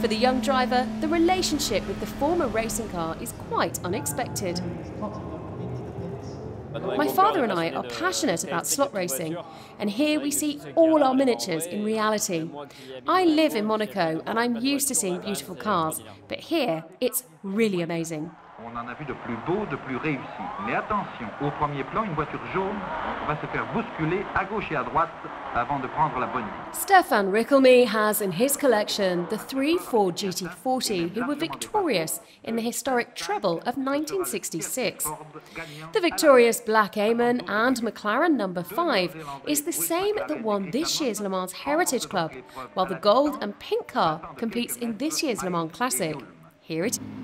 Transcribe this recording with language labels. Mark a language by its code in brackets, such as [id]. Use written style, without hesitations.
[en] For the young driver, the relationship with the former racing car is quite unexpected. My father and I are passionate about slot racing, and here we see all our miniatures in reality. I live in Monaco and I'm used to seeing beautiful cars, but here it's really amazing. [fr] On en a vu de plus beau, de plus réussi. Mais attention, au premier plan, une voiture jaune va se faire bousculer à gauche et à droite avant de prendre la bonne ligne. [en] Stefan Riccomi has in his collection the three Ford GT40 who were victorious in the historic treble of 1966. The victorious Black Eamon and McLaren number 5 is the same that won this year's Le Mans Heritage Club, while the gold and pink car competes in this year's Le Mans Classic. Here it is.